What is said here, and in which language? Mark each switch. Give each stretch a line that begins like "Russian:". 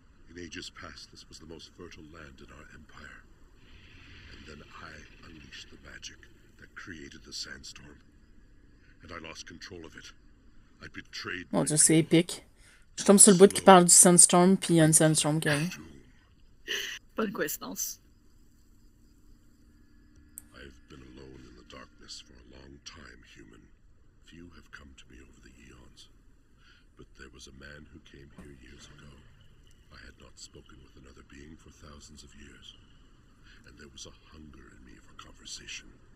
English: In ages past, this was the most fertile land in our empire. And then I unleashed the magic. That created the sandstorm, and I lost control of it. I betrayed.
French: Mon Dieu, c'est épique. Je tombe sur le bout qui parle du sandstorm, puis il y a une sandstorm qui arrive. Bonne coïncidence.
English: I've been alone in the darkness for a long time, human. Few have come to me over the eons, but there was a man who came here years ago. I had not spoken with another being for thousands of years, and there was a hunger in me for conversation.